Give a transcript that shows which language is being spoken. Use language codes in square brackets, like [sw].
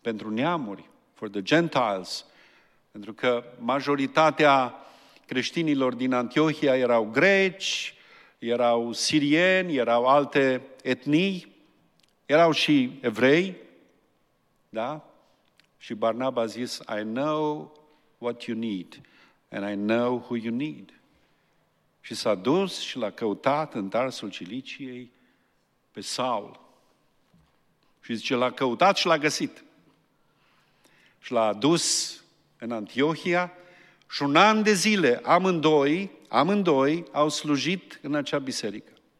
[ro] neamuri, [en] for the Gentiles, [ro] pentru că majoritatea creștinilor din Antiohia erau greci, erau sirieni, erau alte etnii, erau și evrei, da? Și Barnaba a zis: [en] I know what you need and I know who you need. [ro] Și s-a dus și l-a căutat în Tarsul Ciliciei pe Saul. Și zice, l-a căutat și l-a găsit. Și l-a adus în Antiohia și un an de zile amândoi au slujit în acea biserică.